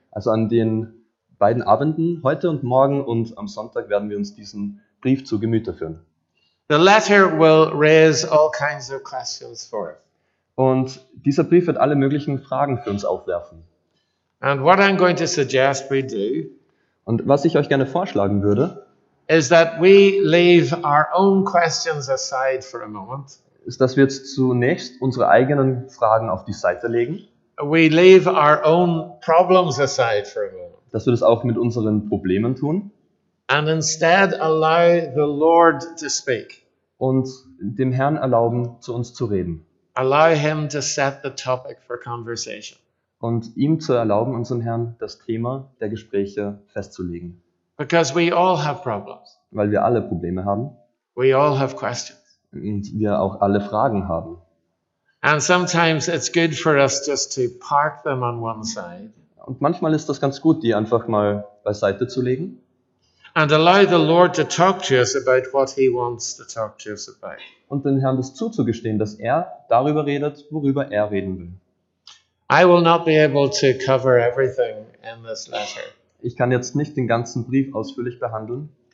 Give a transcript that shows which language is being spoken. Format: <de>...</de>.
<de>Also an den beiden Abenden, heute und morgen und am Sonntag, werden wir uns diesen Brief zu Gemüte führen.</de> <en>The letter will raise all kinds of questions for us.</en> <de>Und dieser Brief wird alle möglichen Fragen für uns aufwerfen.</de> <en>And what I'm going to suggest we do,</en> <de>und was ich euch gerne vorschlagen würde,</de> <en>is that we leave our own questions aside for a moment.</en> <de>Ist, dass wir jetzt zunächst unsere eigenen Fragen auf die Seite legen.</de> <en>We leave our own problems aside for a moment.</en> <de>Dass wir das auch mit unseren Problemen tun.</de> <en>And instead allow the Lord to speak.</en> <de>Und dem Herrn erlauben, zu uns zu reden.</de> <en>Allow him to set the topic for conversation.</en> <de>Und ihm zu erlauben, unserem Herrn, das Thema der Gespräche festzulegen.</de> <en>Because we all have problems.</en> <de>Weil wir alle Probleme haben.</de> <en>We all have questions.</en> <de>Und wir auch alle Fragen haben.</de> <en>And sometimes it's good for us just to park them on one side.</en> <de>Und manchmal ist das ganz gut, die einfach mal beiseite zu legen.</de> <en>And allow the Lord to talk to us about what he wants to talk to us about.</en> <de>Und dem Herrn das zuzugestehen, dass er darüber redet, worüber er reden will.</de> <en>I will not be able to cover everything in this letter.</en> <de>Ich kann jetzt nicht den ganzen Brief ausführlich behandeln.</de>